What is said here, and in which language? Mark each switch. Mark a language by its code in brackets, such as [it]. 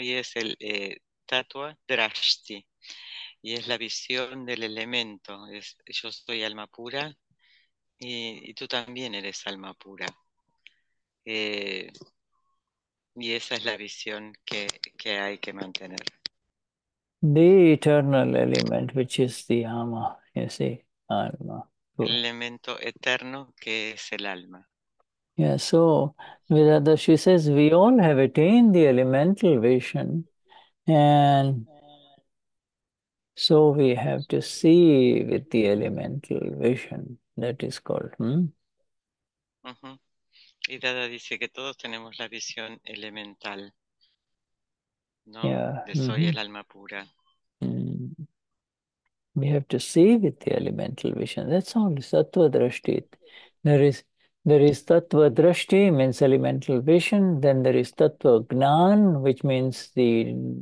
[es] Y es el tatua drashti, y es la visión del elemento. Es, yo soy alma pura y tú también eres alma pura. Y esa es la visión que hay que mantener. [en] The eternal element, which is the ama, you see, alma. [es] El elemento eterno que es el alma. [en] Yeah, so Vidada, she says we all have attained the elemental vision, and so we have to see with the elemental vision, that is called. [es] Y Dada dice que todos tenemos la visión elemental, ¿no? [en] Yeah. [es] De soy el alma pura. [en] We have to see with the elemental vision. That's all sattva drashti. There is tattva drashti means elemental vision. Then there is tattva gnan, which means the